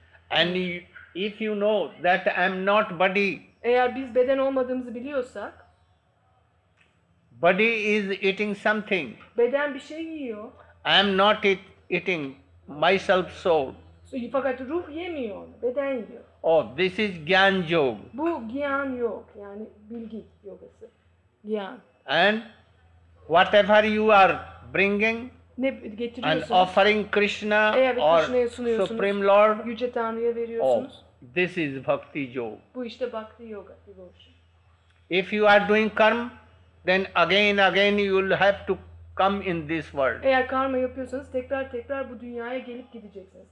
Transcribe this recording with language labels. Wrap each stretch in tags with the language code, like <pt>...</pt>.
<en>And if you know that I am not body.</en> <tr>Eğer biz beden olmadığımızı biliyorsak.</tr> <en>Body is eating something.</en> <tr>Beden bir şey yiyor.</tr> <en>I am not eating myself soul.</en> <tr>Fakat ruh yemiyor onu, beden yiyor.</tr> <en>Oh, this is gyan yoga.</en> <tr>Bu gyan yoga, yani bilgi yogası.</tr> <en>Gyan. And whatever you are bringing</en> <tr>ne</tr> <en>and offering Krishna or Supreme Lord,</en> <tr>Yüce Tanrı'ya veriyorsunuz.</tr> <en>Oh, this is bhakti yoga.</en> <tr>Bu işte bhakti yoga.</tr> <en>If you are doing karma, then again you will have to come in this world.</en> <tr>Eğer karma yapıyorsanız tekrar bu dünyaya gelip gideceksiniz.</tr>